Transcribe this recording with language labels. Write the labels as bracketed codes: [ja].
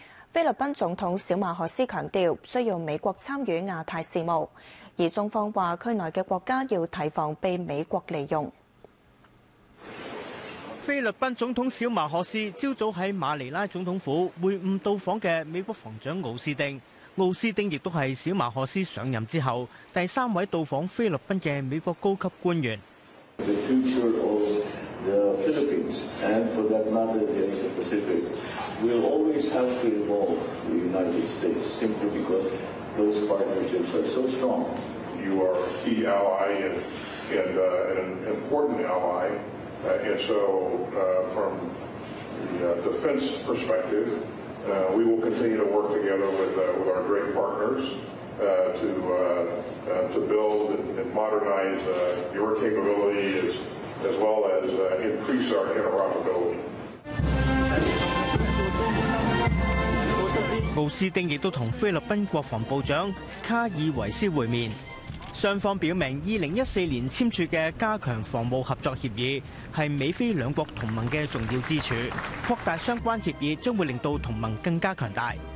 [yue] 菲律宾总统小马可斯强调需要美国参与亚太事务，而中方说区内的国家要提防被美国利用。菲律宾总统小马可斯朝早在马尼拉总统府会晤到访的美国防长奥斯汀。奥斯汀亦都是小马可斯上任之后第三位到访菲律宾的美国高级官员。 [en] The future of the Philippines and for that matter the Asia Pacific will always have to involve the United States simply because those partnerships are so strong. You are a key ally and an important ally. And so from the defense perspective,we will continue to work together with our great partners to build and modernize your capability as well as increase our interoperability. [yue] 奥斯汀亦都同菲律宾国防部长卡尔维斯会面，双方表明2014年签署的加强防务合作协议是美菲两国同盟的重要支柱，扩大相关协议将会令到同盟更加强大。